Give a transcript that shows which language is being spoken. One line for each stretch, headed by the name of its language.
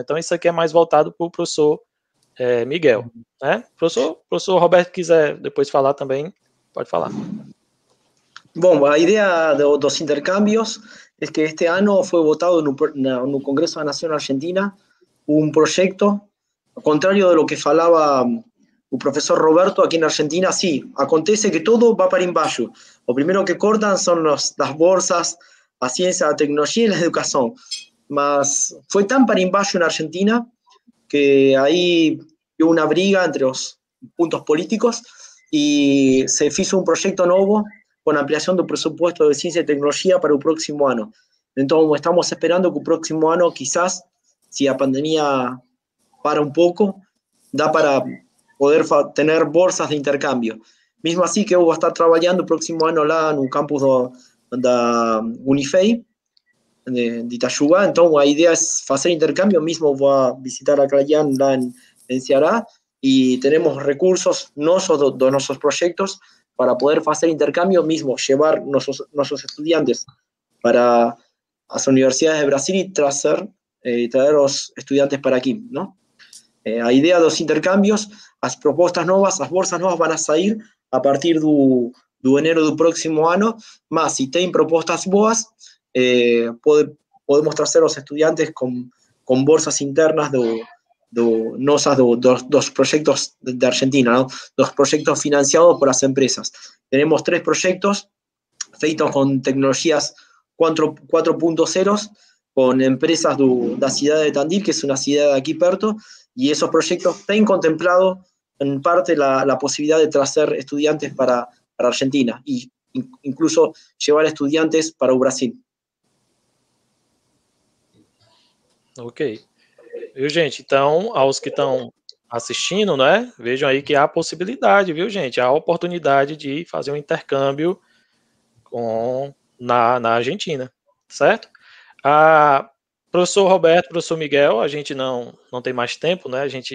Portuguese: Então, isso aqui é mais voltado para o professor Miguel. Né? Professor Roberto, quiser depois falar também, pode falar. Bom, a ideia dos intercâmbios é que este ano foi votado no Congresso da Nação Argentina um projeto.
Spanish: Al contrario de lo que falaba el profesor Roberto, aquí en Argentina, sí,
Portuguese: acontece
Spanish: que todo va para
Portuguese: embaixo.
Spanish: Lo primero que cortan son las bolsas, la ciencia, la tecnología y la educación. Mas fue tan para
Portuguese: embaixo
Spanish: en Argentina que ahí hubo una
Portuguese: briga
Spanish: entre los puntos políticos y se hizo un proyecto nuevo con ampliación del presupuesto de ciencia y tecnología para el próximo año. Entonces estamos esperando que el próximo año quizás, si la pandemia para un poco, da para poder tener bolsas de intercambio. Mismo así que voy a estar trabajando el próximo año
Portuguese: lá
Spanish: en un campus de Unifei, de Itayuba. Entonces, la idea es hacer intercambio. Mismo voy a visitar a Clayán
Portuguese: lá
Spanish: en Ceará y tenemos recursos, nosotros, de nuestros proyectos, para poder hacer intercambio. Mismo llevar nuestros estudiantes para las universidades de Brasil y traer los estudiantes para aquí, ¿no?
Portuguese: A ideia dos intercâmbios, as propostas novas, as bolsas novas vão sair a partir do
Spanish: enero
Portuguese: do próximo ano, mas se tem propostas boas, podemos trazer os estudantes com bolsas internas dos projetos de Argentina, não? Dos projetos financiados por as empresas. Temos três projetos feitos com tecnologias 4.0,
Spanish: con empresas de la ciudad de Tandil, que es una ciudad aquí
Portuguese: perto,
Spanish: y esos proyectos han contemplado en parte la posibilidad de traer estudiantes para Argentina y incluso llevar estudiantes para el Brasil.
Portuguese: Ok. Viu, gente? Então, aos que estão assistindo, né? Vejam aí que há possibilidade, viu, gente? Há oportunidade de fazer um intercâmbio na Argentina, certo? Professor Roberto, professor Miguel, a gente não tem mais tempo, né?